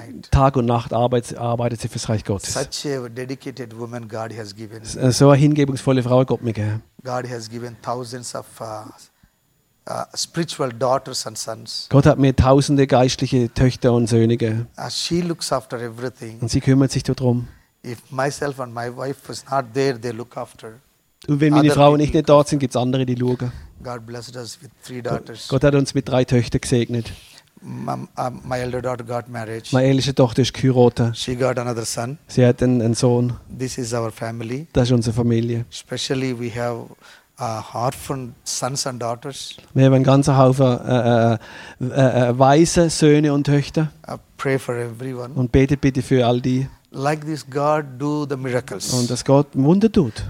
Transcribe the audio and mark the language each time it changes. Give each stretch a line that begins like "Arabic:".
German: Tag und Nacht arbeitet sie fürs Reich Gottes.
English: Such a dedicated woman God has given.
German: So eine hingebungsvolle Frau hat Gott mir gegeben.
English: God has given thousands of spiritual daughters and sons.
German: Gott hat mir tausende geistliche Töchter und Söhne gegeben.
English: She looks after everything.
German: Und sie kümmert sich darum.
English: If myself and my wife was not there, they look after.
German: Und wenn meine Frau und ich nicht dort sind, gibt es andere, die schauen.
English: God blessed us with three daughters.
German: Gott hat uns mit drei Töchtern gesegnet.
English: My elder daughter got married.
German: Meine älteste Tochter ist geheiratet.
English: She got another son.
German: Sie hat einen Sohn.
English: This is our family.
German: Das ist unsere Familie.
English: Especially we have orphan sons and daughters.
German: Wir haben einen ganzen Haufen weise Söhne und Töchter.
English: Pray for everyone.
German: Und betet bitte für all die.
English: Like this, God do the miracles.
German: Und dass Gott Wunder tut.